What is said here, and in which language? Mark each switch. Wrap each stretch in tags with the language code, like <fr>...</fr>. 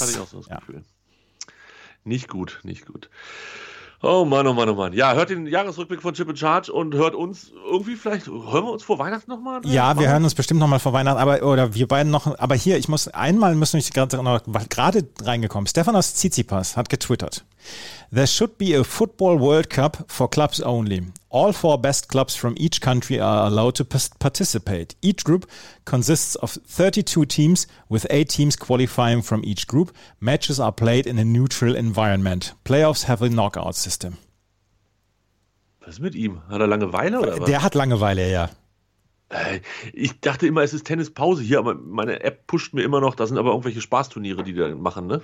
<de>hatte ich auch so das ja. Gefühl. Nicht gut, nicht gut. Oh Mann, oh Mann, oh Mann. Ja, hört den Jahresrückblick von Chip and Charge und hört uns irgendwie vielleicht, hören wir uns vor Weihnachten nochmal? Ja, wir hören uns bestimmt nochmal vor Weihnachten, aber oder wir beiden noch, aber hier, ich muss einmal, müssen wir gerade reingekommen. Stefanos Tsitsipas hat getwittert.</de> <en>There should be a football World Cup for clubs only. All four best clubs from each country are allowed to participate. Each group consists of 32 teams, with 8 teams qualifying from each group. Matches are played in a neutral environment. Playoffs have a knockout system.</en> <de>Was ist mit ihm? Hat er Langeweile oder was? Der hat Langeweile, ja. Ich dachte immer, es ist Tennispause hier, aber meine App pusht mir immer noch, da sind aber irgendwelche Spaßturniere, die da machen, ne?</de>